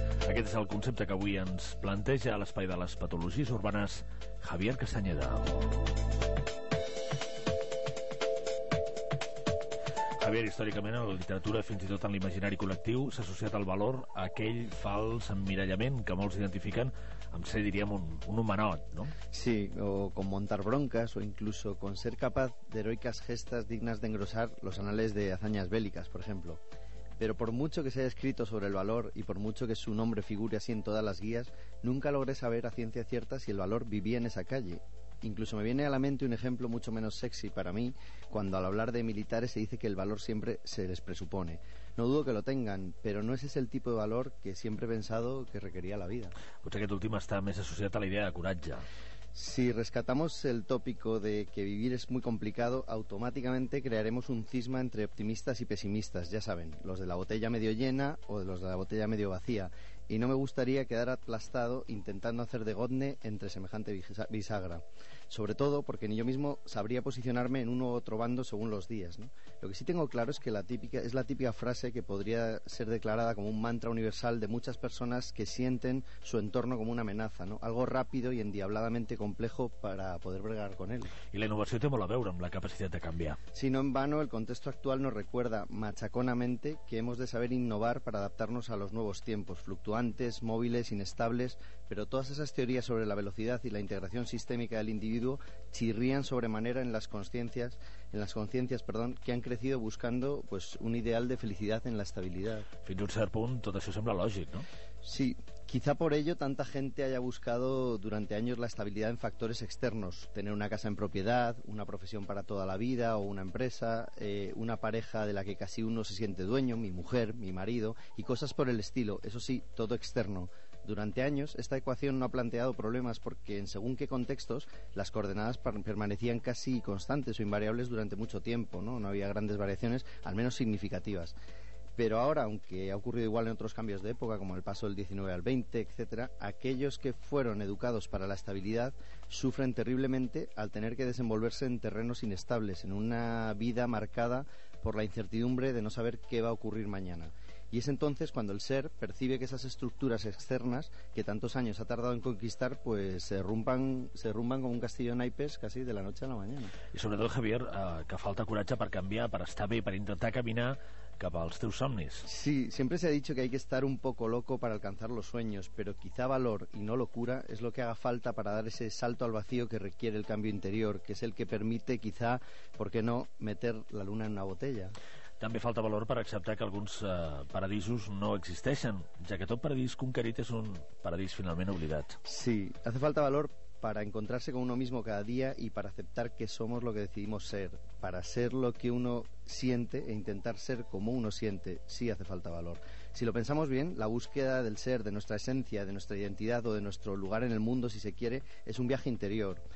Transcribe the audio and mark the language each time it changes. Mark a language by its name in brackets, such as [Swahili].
[Catalan] Aquest és el concepte que avui ens planteja a l'espai de les patologies urbanes Javier Castañeda. Javier, històricament en la literatura, fins i tot en l'imaginari col·lectiu, s'ha associat al valor a aquell fals emmirallament que molts identifiquen amb ser, diríem, un humanot, no? [Spanish] Sí, o con montar broncas, o incluso con ser capaz de heroicas gestas dignas de engrosar los anales de hazañas bélicas, por ejemplo. Pero por mucho que se haya escrito sobre el valor y por mucho que su nombre figure así en todas las guías, nunca logré saber a ciencia cierta si el valor vivía en esa calle. Incluso me viene a la mente un ejemplo mucho menos sexy para mí, cuando al hablar de militares se dice que el valor siempre se les presupone. No dudo que lo tengan, pero no ese es el tipo de valor que siempre he pensado que requería la vida. [Catalan] Pues aquest últim està més associat a la idea de coratge. [Spanish] Si rescatamos el tópico de que vivir es muy complicado, automáticamente crearemos un cisma entre optimistas y pesimistas, ya saben, los de la botella medio llena o los de la botella medio vacía. Y no me gustaría quedar aplastado intentando hacer de godne entre semejante bisagra. Sobre todo porque ni yo mismo sabría posicionarme en uno u otro bando según los días, ¿no? Lo que sí tengo claro es que es la típica frase que podría ser declarada como un mantra universal de muchas personas que sienten su entorno como una amenaza, ¿no? Algo rápido y endiabladamente complejo para poder bregar con él. Y la innovación tiene mucho que ver con la capacidad de cambiar. Si no en vano, el contexto actual nos recuerda machaconamente que hemos de saber innovar para adaptarnos a los nuevos tiempos, fluctuantes, móviles, inestables, pero todas esas teorías sobre la velocidad y la integración sistémica del individuo chirrían sobremanera en las conciencias, que han crecido buscando pues un ideal de felicidad en la estabilidad. [Catalan] Fins a un cert punt, tot això sembla lògic, ¿no? [Spanish] Sí, quizá por ello tanta gente haya buscado durante años la estabilidad en factores externos, tener una casa en propiedad, una profesión para toda la vida o una empresa, una pareja de la que casi uno se siente dueño, mi mujer, mi marido, y cosas por el estilo, eso sí, todo externo. Durante años esta ecuación no ha planteado problemas porque en según qué contextos las coordenadas permanecían casi constantes o invariables durante mucho tiempo, ¿no? No había grandes variaciones, al menos significativas. Pero ahora, aunque ha ocurrido igual en otros cambios de época, como el paso del 19 al 20, etcétera, aquellos que fueron educados para la estabilidad sufren terriblemente al tener que desenvolverse en terrenos inestables, en una vida marcada por la incertidumbre de no saber qué va a ocurrir mañana. Y es entonces cuando el ser percibe que esas estructuras externas que tantos años ha tardado en conquistar pues se derrumban como un castillo de naipes casi de la noche a la mañana. Y sobre todo, [Catalan] Javier, que falta coratge per canviar, per estar bé, per intentar caminar cap als teus somnis. [Spanish] Sí, siempre se ha dicho que hay que estar un poco loco para alcanzar los sueños, pero quizá valor y no locura es lo que haga falta para dar ese salto al vacío que requiere el cambio interior, que es el que permite quizá, ¿por qué no?, meter la luna en una botella. [Catalan] També falta valor per acceptar que alguns paradisos no existeixen, ja que tot paradís conquerit és un paradís finalment oblidat. [Spanish] Sí, hace falta valor para encontrarse con uno mismo cada día y para aceptar que somos lo que decidimos ser. Para ser lo que uno siente e intentar ser como uno siente, sí hace falta valor. Si lo pensamos bien, la búsqueda del ser, de nuestra esencia, de nuestra identidad o de nuestro lugar en el mundo, si se quiere, es un viaje interior.